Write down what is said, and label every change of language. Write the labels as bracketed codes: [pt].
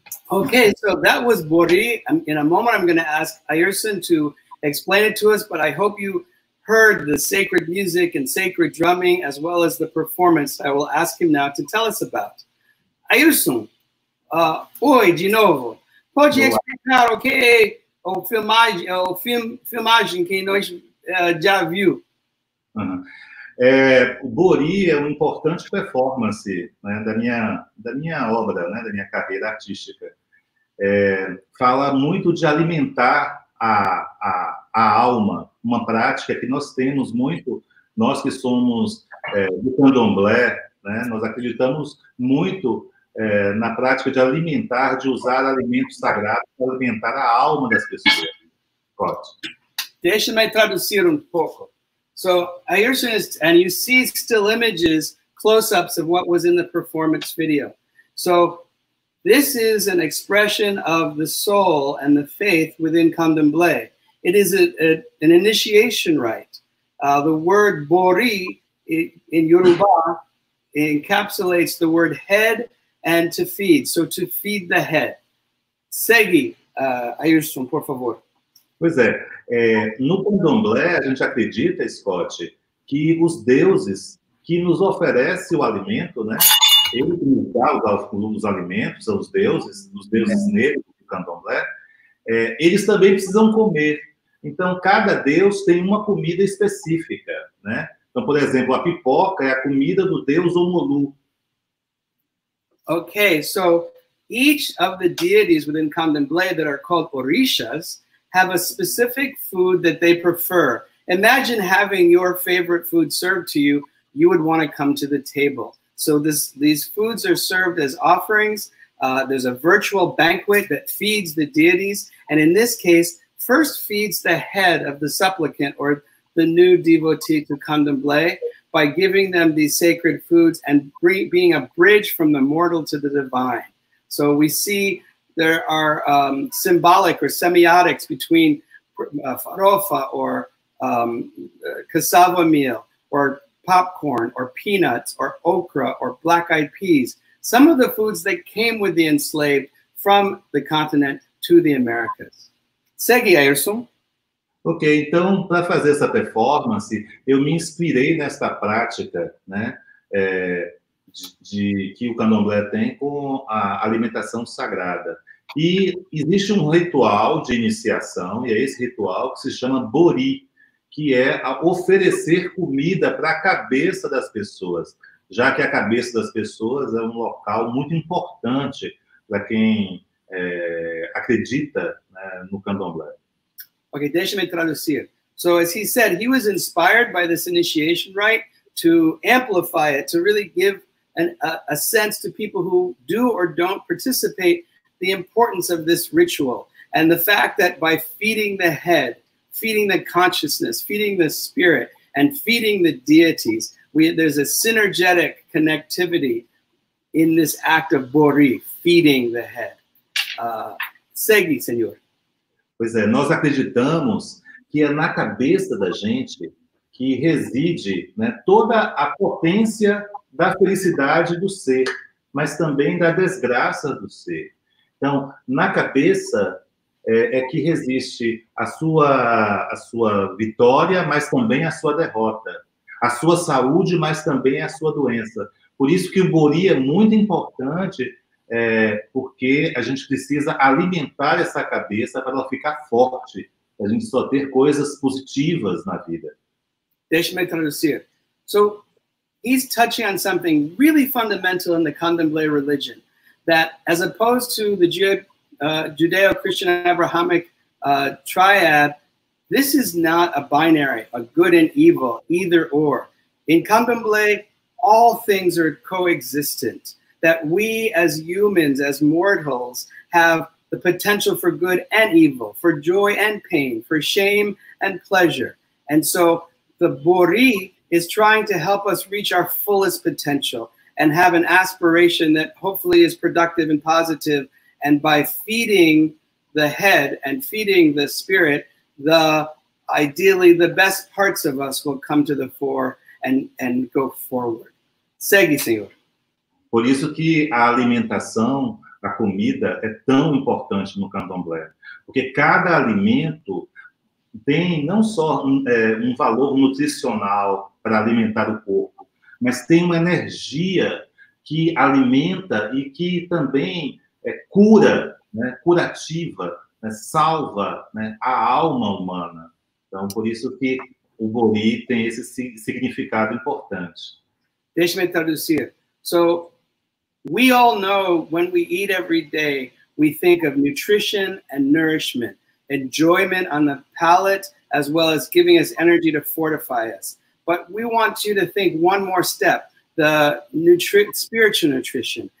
[en] Okay, so that was Bori. In a moment, I'm going to ask Ayerson to explain it to us, but I hope you heard the sacred music and sacred drumming, as well as the performance I will ask him now to tell us about. [pt] Ayerson, oi, de novo. Pode explicar, ok, o filmagem que nós já viu. O Bori é uma importante performance, né, da minha obra, né, da minha carreira artística. Fala muito de alimentar a alma, uma prática que nós temos muito, nós que somos do candomblé, né, nós acreditamos muito na prática de alimentar, de usar alimentos sagrados para alimentar a alma das pessoas. Corte. Deixa-me traduzir pouco. [en] So, Ayerson is, and you see still images, close-ups of what was in the performance video. So, this is an expression of the soul and the faith within candomblé. It is an initiation rite. The word Bori in Yoruba encapsulates the word head and to feed. So, to feed the head. [pt] Segue, Ayerson, por favor. Pois é. No candomblé, a gente acredita, Scott, que os deuses que nos oferecem o alimento, né? Ele que nos dá os alimentos, são os deuses negros do candomblé, eles também precisam comer. Então, cada deus tem uma comida específica, né? Então, por exemplo, a pipoca é a comida do deus Omolu. [en] Ok, so each of the deities within candomblé that are called orishas have a specific food that they prefer. Imagine having your favorite food served to you. You would want to come to the table. So these foods are served as offerings. There's a virtual banquet that feeds the deities. And in this case, first feeds the head of the supplicant or the new devotee to candomblé by giving them these sacred foods and being a bridge from the mortal to the divine. So we see there are symbolic or semiotics between farofa or cassava meal or popcorn or peanuts or okra or black-eyed peas, some of the foods that came with the enslaved from the continent to the Americas. [pt] Segue, Ayerson. Ok, então, para fazer essa performance, eu me inspirei nesta prática, né, que o candomblé tem com a alimentação sagrada. E existe um ritual de iniciação, e é esse ritual que se chama Bori, que é oferecer comida para a cabeça das pessoas, já que a cabeça das pessoas é um local muito importante para quem acredita, né, no candomblé. Ok, deixa-me traduzir. [en] So, as he said, he was inspired by this initiation rite to amplify it, to really give a sense to people who do or don't participate the importance of this ritual and the fact that by feeding the head, feeding the consciousness, feeding the spirit, and feeding the deities, there's a synergetic connectivity in this act of bori, feeding the head. [pt] Segue, senhor. Pois é, nós acreditamos que é na cabeça da gente que reside, né, toda a potência da felicidade do ser, mas também da desgraça do ser. Então, na cabeça é que resiste a sua vitória, mas também a sua derrota, a sua saúde, mas também a sua doença. Por isso que o bori é muito importante, porque a gente precisa alimentar essa cabeça para ela ficar forte, para a gente só ter coisas positivas na vida. Deixa-me traduzir. [en] So, he's touching on something really fundamental in the candomblé religion, that as opposed to the Judeo-Christian Abrahamic triad, this is not a binary, a good and evil, either or. In candomblé, all things are coexistent, that we as humans, as mortals, have the potential for good and evil, for joy and pain, for shame and pleasure. And so the bori is trying to help us reach our fullest potential and have an aspiration that hopefully is productive and positive. And by feeding the head and feeding the spirit, ideally the best parts of us will come to the fore and go forward. [pt] Segue, senhor. Por isso que a alimentação, a comida, é tão importante no candomblé. Porque cada alimento tem não só um valor nutricional para alimentar o corpo, mas tem uma energia que alimenta e que também cura, né, curativa, né, salva, né, a alma humana. Então, por isso que o bori tem esse significado importante. Deixa-me traduzir. [en] So, we all know when we eat every day, we think of nutrition and nourishment, enjoyment on the palate, as well as giving us energy to fortify us. But we want you to think one more step, the spiritual nutrition.